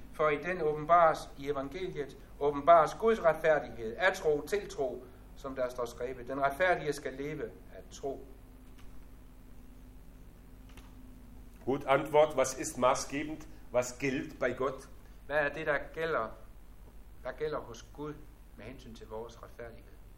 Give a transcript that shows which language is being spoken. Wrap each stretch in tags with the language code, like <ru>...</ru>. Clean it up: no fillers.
<da>For i den åbenbares, i evangeliet, åbenbares Guds retfærdighed af tro til tro, som der står skrevet. Den retfærdige skal leve af tro.</da> <de>Gut antwort, was ist maßgebend, was gilt bei Gott?</de> <da>Hvad er det, der gælder, hvad gælder hos Gud med hensyn til vores retfærdighed?</da>